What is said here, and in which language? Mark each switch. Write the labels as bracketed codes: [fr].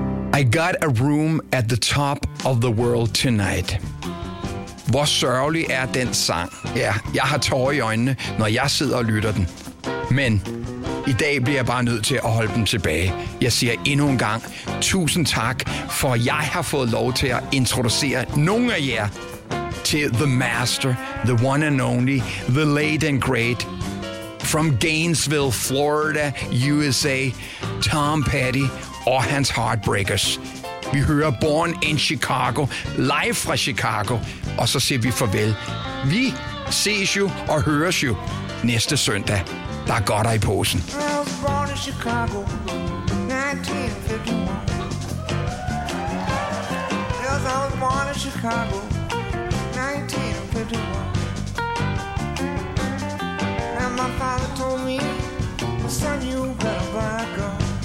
[en] I got a room at the top of the world tonight. [da] Hvor sørgelig er den sang? Ja, jeg har tårer i øjnene, når jeg sidder og lytter den. Men i dag bliver jeg bare nødt til at holde dem tilbage. Jeg siger endnu en gang tusind tak, for jeg har fået lov til at introducere nogle af jer til [en] the master, the one and only, the late and great, from Gainesville, Florida, USA, [da] Tom Petty og hans Heartbreakers. Vi hører Born in Chicago, live fra Chicago, og så siger vi farvel. Vi ses jo og høres jo næste søndag. Der er godt dig i posen. [en] I was born in Chicago, 1951. Yes, I was born in Chicago, 1951. And my father told me, son, you better back up.